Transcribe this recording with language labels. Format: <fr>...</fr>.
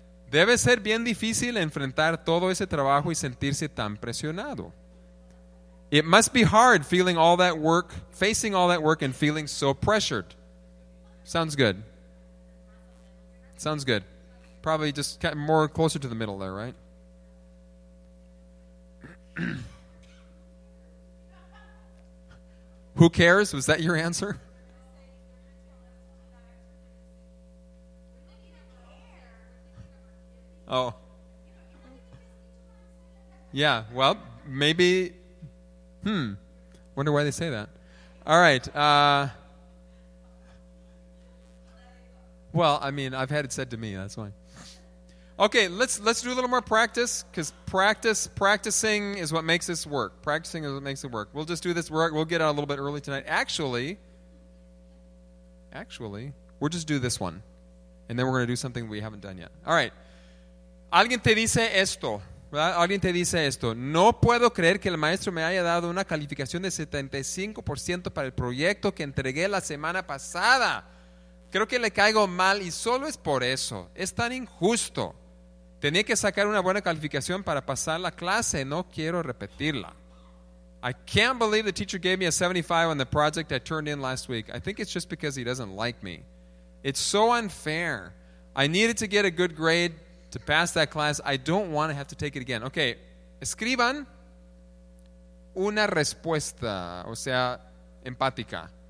<es>Debe ser bien difícil enfrentar todo ese trabajo y sentirse tan presionado.</es> <en>It must be hard feeling all that work, facing all that work and feeling so pressured. Sounds good. Sounds good. Probably just more closer to the middle there, right? Who cares? Was that your answer? Oh. Yeah, well, maybe. Wonder why they say that. All right. Well, I mean, I've had it said to me, that's why. Okay, let's do a little more practice, because practicing is what makes this work. Practicing is what makes it work. We'll just do this work. We'll get out a little bit early tonight. Actually, we'll just do this one, and then we're going to do something we haven't done yet. All right.</en> <es>Alguien te dice esto, ¿verdad? Alguien te dice esto. No puedo creer que el maestro me haya dado una calificación de 75% para el proyecto que entregué la semana pasada. Creo que le caigo mal y solo es por eso. Es tan injusto. Tenía que sacar una buena calificación para pasar la clase. No quiero repetirla.</es> <en>I can't believe the teacher gave me a 75 on the project I turned in last week. I think it's just because he doesn't like me. It's so unfair. I needed to get a good grade to pass that class. I don't want to have to take it again.</en> <es>Okay, escriban una respuesta, o sea, empática.</es>